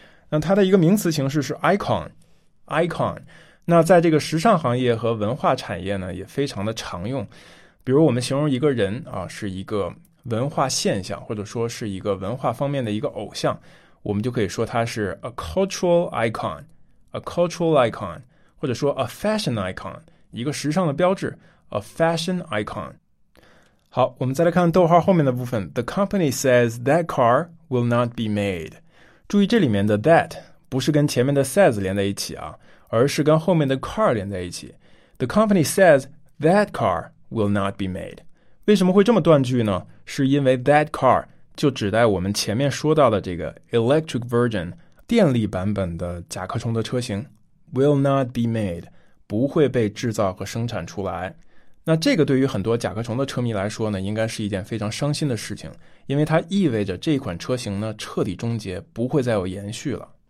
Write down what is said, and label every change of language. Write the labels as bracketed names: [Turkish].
[Chinese] 那它的一个名词形式是 icon， 那在这个时尚行业和文化产业呢也非常的常用，比如我们形容一个人啊是一个文化现象，或者说是一个文化方面的一个偶像，我们就可以说它是 [English] a cultural icon， [Chinese] 或者说 [English] a fashion icon， [Chinese] 一个时尚的标志， a fashion icon。好，我们再来看逗号后面的部分。 [English] The company says that car will not be made. [Chinese] 注意这里面的 that 不是跟前面的 says 连在一起啊，而是跟后面的 car 连在一起。 [English] The company says that car will not be made. [Chinese] 为什么会这么断句呢？是因为 [English] that car [Chinese] 就指代我们前面说到的这个 [English] electric version [Chinese] 电力版本的甲壳虫的车型 [English] will not be made [Chinese] 不会被制造和生产出来。那这个对于很多甲壳虫的车迷来说呢，应该是一件非常伤心的事情，因为它意味着这款车型呢彻底终结，不会再有延续了。